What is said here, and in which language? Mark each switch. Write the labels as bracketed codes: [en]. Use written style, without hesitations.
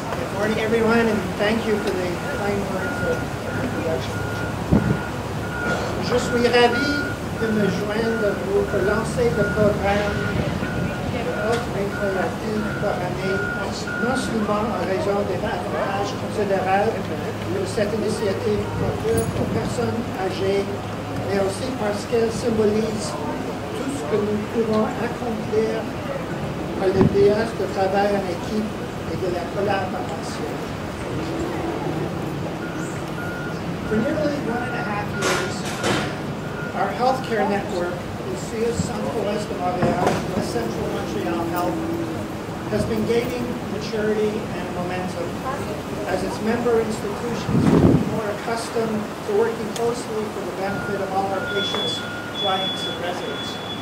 [en] Good morning, everyone, and thank you for the kind words of introduction. [fr] Je suis ravi de me joindre à vous pour lancer le programme offre récréative par année, non seulement en raison des avantages considérables de cette initiative pour personnes âgées, mais aussi parce qu'elle symbolise que nous pouvons accomplir par le BS de travail en équipe et de la collaboration. [en] For nearly 1.5 years, our healthcare network, the CIUSS Centre-Ouest-de-l'île de Montréal, West Central Montreal Health, has been gaining maturity and momentum as its member institutions become more accustomed to working closely for the benefit of all our patients, clients, and residents.